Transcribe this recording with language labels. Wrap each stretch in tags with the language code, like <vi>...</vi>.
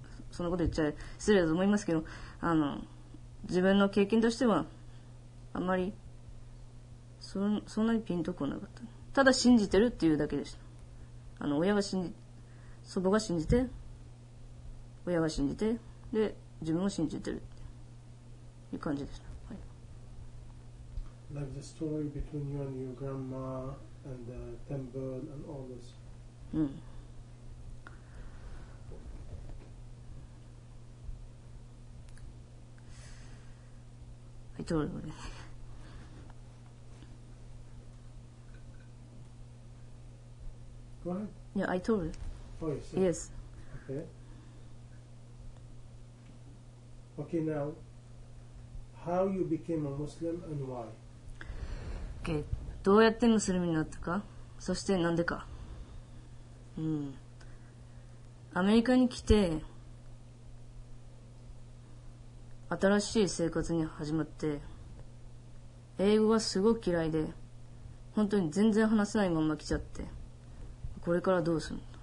<ja>そんなこと言っちゃ失礼だと思いますけど、自分の経験としては、あまり そんなにピンとこなかった。ただ信じてるっていうだけでした。祖母が信じて、親が信じて、で自分も信じてるっていう感じでした。はい。</ja> <en>Like the story between you and your grandma and the temple and all this.</en> <ja>うん。はい、どうぞ。</ja> <en>Go ahead. Yeah, I told you. Oh, you said? Yes. Okay. Okay, now, how you became a Muslim and why?</en> <ja>Okay. どうやってムスリムになったか、そしてなんでか。アメリカに来て新しい生活に始まって、英語がすごく嫌いで本当に全然話せないまま来ちゃって、これからどうするの。</ja>